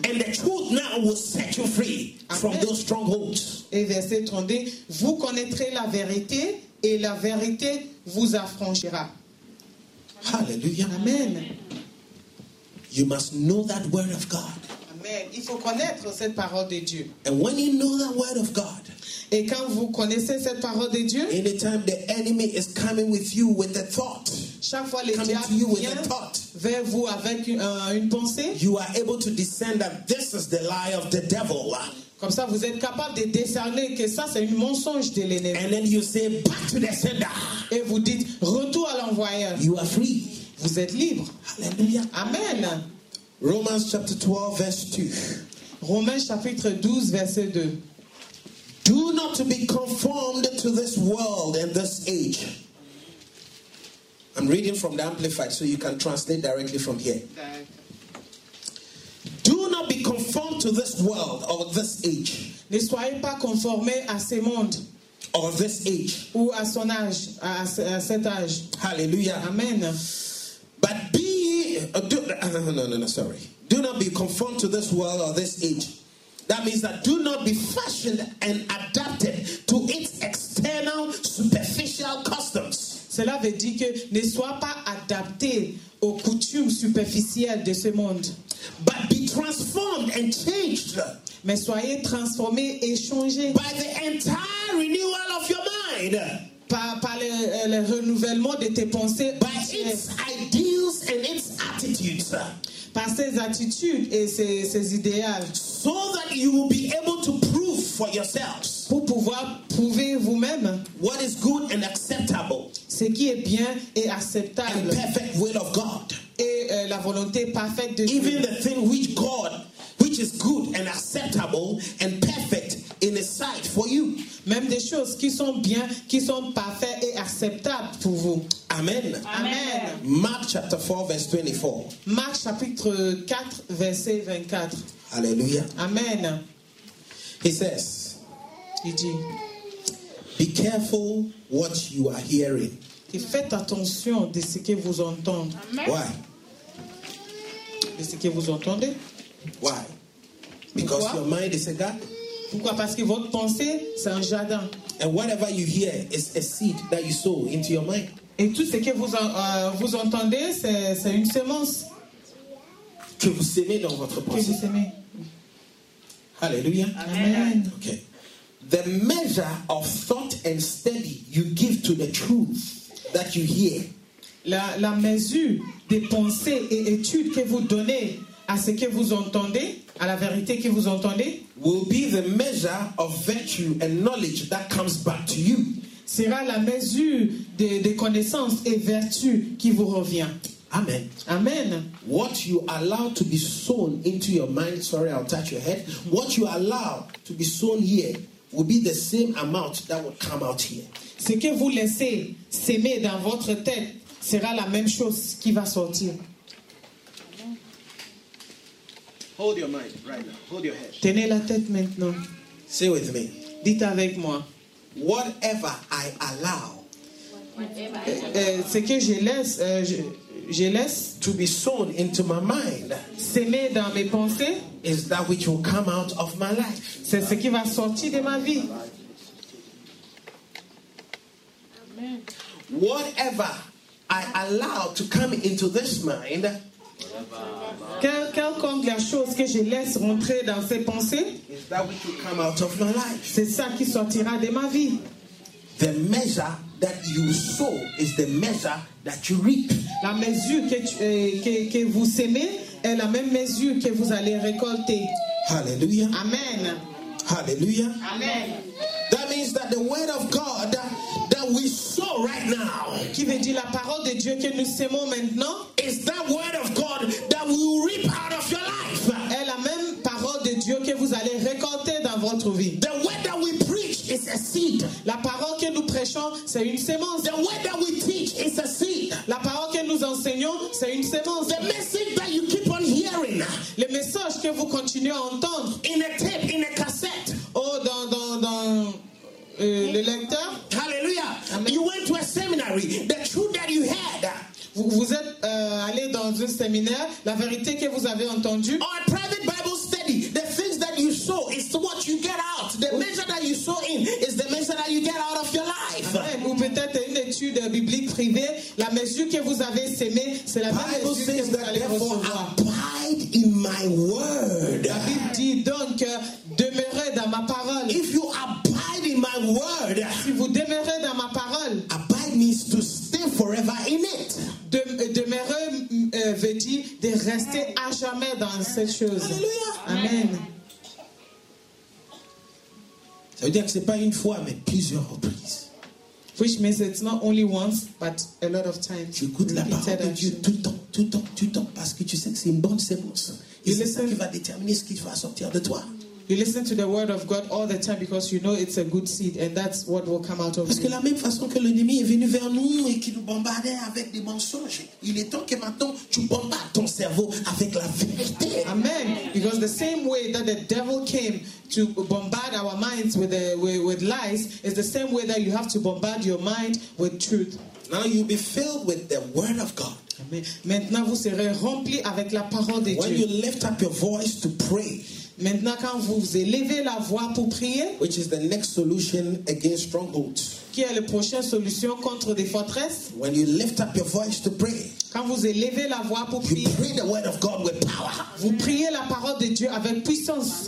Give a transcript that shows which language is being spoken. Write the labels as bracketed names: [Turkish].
[English] And the truth now will set you free from those strongholds. [French] Et verset 32. Vous connaîtrez la vérité et la vérité vous affranchira. [English] Hallelujah. Amen. You must know that word of God. [French] Amen. Il faut connaître cette parole de Dieu. [English] And when you know that word of God, [French] et quand vous connaissez cette parole de Dieu, [English] anytime the enemy is coming with you with a thought, [French] chaque fois le diable vient vers vous avec une pensée, [English] you are able to discern that this is the lie of the devil. [French] Comme ça, vous êtes capable de discerner que ça, c'est un mensonge de l'ennemi. [English] And then you say, back to the sender. [French] Et vous dites, retour à l'envoyeur. [English] You are free. [French] Vous êtes libre. Alléluia. Amen. [English] Romans chapter 12 verse 2. [French] Romains chapitre 12 verset 2. [English] Do not be conformed to this world and this age. I'm reading from the Amplified so you can translate directly from here. Do not be conformed to this world or this age. [French] Ne soyez pas conformés à ce monde. [English] Or this age. [French] Ou à son âge, à cet âge. Alléluia. Amen. [English] But do not be conformed to this world or this age. That means that do not be fashioned and adapted to its external superficial customs. [French] Cela veut dire que ne sois pas adapté aux coutumes superficielles de ce monde. [English] But be transformed and changed. [French] Mais soyez transformés et changés. [English] By the entire renewal of your mind. [French] par le renouvellement de tes pensées, [English] by its ideals and its attitudes, [French] par ses attitudes et ses idéales, [English] so that you will be able to prove for yourselves, [French] pour pouvoir prouver vous-même, [English] what is good and acceptable, [French] ce qui est bien et acceptable, [English] the perfect will of God, [French] et la volonté parfaite de [English] even the thing which God, which is good and acceptable and perfect in his sight for you. [French] Même des choses qui sont bien, qui sont parfaites et acceptables pour vous. Amen. Amen. [English] Mark chapter 4 verse 24. [French] Marc chapitre 4 verset 24. Alléluia. Amen. [English] He says, [French] il dit, [English] be careful what you are hearing. [French] Et faites attention de ce que vous entendez. [English] Amen. Why? [French] De ce que vous entendez. [English] Why? Because [French] pourquoi? [English] Your mind is a garden. [French] Pourquoi? Parce que votre pensée, c'est un jardin. [English] And whatever you hear is a seed that you sow into your mind. [French] Et tout ce que vous entendez, c'est une semence que vous semez dans votre pensée. Que vous semez. Alléluia. Amen. [English] Okay. The measure of thought and study you give to the truth that you hear. [French] La mesure des pensées et études que vous donnez à ce que vous entendez, à la vérité que vous entendez, [English] will be the measure of virtue and knowledge that comes back to you. [French] Sera la mesure de connaissances et vertus qui vous revient. Amen. Amen. [English] What you allow to be sown into your mind, sorry, I'll touch your head. What you allow to be sown here will be the same amount that will come out here. [French] Ce que vous laissez s'aimer dans votre tête sera la même chose qui va sortir. [English] Hold your mind right now. Hold your head. [French] Tenez la tête maintenant. [English] Say with me. [French] Dites avec moi. [English] Whatever I allow, [French] ce que je laisse [English] to be sown into my mind, [French] semé dans mes pensées, [English] is that which will come out of my life. [French] C'est ce qui va sortir de ma vie. Amen. [English] Whatever I allow to come into this mind, [French] quelconque la chose que je laisse rentrer dans ces pensées, [English] that which will come out of my life. [French] C'est ça qui sortira de ma vie. [English] The measure that you sow is the measure that you reap. [French] La mesure que vous semez est la même mesure que vous allez récolter. Hallelujah. Amen. Hallelujah. Amen. [English] That means that the word of God that we sow right now, [French] qui veut dire la parole de Dieu que nous semons maintenant, [English] is that word of God that we will reap out of your life. [French] Est la même parole de Dieu que vous allez récolter dans votre vie. [English] The word that we preach is a seed. [French] La parole que nous prêchons, c'est une semence. [English] The word that we teach is a seed. [French] La parole que nous enseignons, c'est une semence. [English] The message that you keep on hearing, [French] le message que vous continuez à entendre, [English] in a tape, in a cassette, [French] oh, dans le lecteur. Hallelujah. Amen. [English] You went to a seminary, the truth that you heard, [French] vous êtes allé dans un séminaire, la vérité que vous avez entendue, [English] or a private Bible study, the things that you sow is what you get out. The measure that you sow in is the measure that you get out of your life. [French] Amen. Ou peut-être une étude biblique privée, la mesure que vous avez semée, c'est la même mesure que vous allez recevoir. [English] Abide in my word. [French] La Bible dit donc, demeurez dans ma parole. [English] If you abide in my word, [French] si vous demeurez dans ma parole, [English] abide means to stay forever in it. [French] Demeurer veut dire de rester à jamais dans cette chose. Alléluia. Amen. Ça veut dire que ce n'est pas une fois, mais plusieurs reprises. [English] Which means it's not only once, but a lot of times. [French] Tu écoutes la parole de Dieu tout le temps, parce que tu sais que c'est une bonne semence. Et c'est ça qui va déterminer ce qui va sortir de toi. [English] You listen to the word of God all the time because you know it's a good seed and that's what will come out of it. [French] Parce que la même façon que l'ennemi est venu vers nous et qui nous bombardait avec des mensonges, il est temps que maintenant tu bombardes ton cerveau avec la vérité. Amen. [English] Because the same way that the devil came to bombard our minds with lies is the same way that you have to bombard your mind with truth. Now you'll be filled with the word of God. Amen. [French] Maintenant vous serez rempli avec la parole de Dieu. [English] When you lift up your voice to pray, [French] maintenant, quand vous élevez la voix pour prier, [English] which is the next solution against strongholds, [French] qui est la prochaine solution contre des forteresses, [English] when you lift up your voice to pray, [French] quand vous élevez la voix pour prier, [English] you pray the word of God with power. [French] Vous priez la parole de Dieu avec puissance.